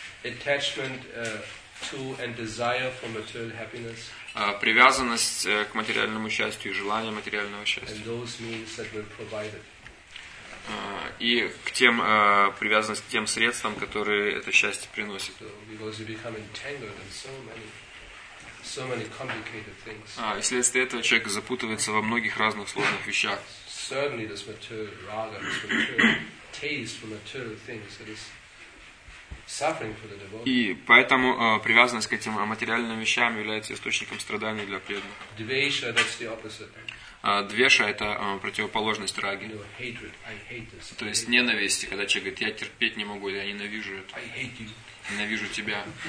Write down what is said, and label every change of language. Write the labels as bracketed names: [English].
[English] Attachment, to and desire for material happiness. [Russian] Привязанность к материальному счастью и желание материального счастья. [English] And those means that were provided. [Russian] И к тем, привязанность к тем средствам, которые это счастье приносит. [English] So, because you become entangled in so many complicated things. [Russian] И вследствие этого человек запутывается во многих разных сложных вещах. [English] Certainly this material raga, this material taste for material things, it is suffering for the devotee. [Russian] И поэтому привязанность к этим материальным вещам является источником страданий для преданных. [English] Двеша, that's the opposite. [Russian] Двеша – это противоположность раги. [English] You know, hatred. I hate this. [Russian] То есть ненависти, когда человек говорит, я терпеть не могу, я ненавижу это. [English] I hate you. [Russian] Ненавижу тебя.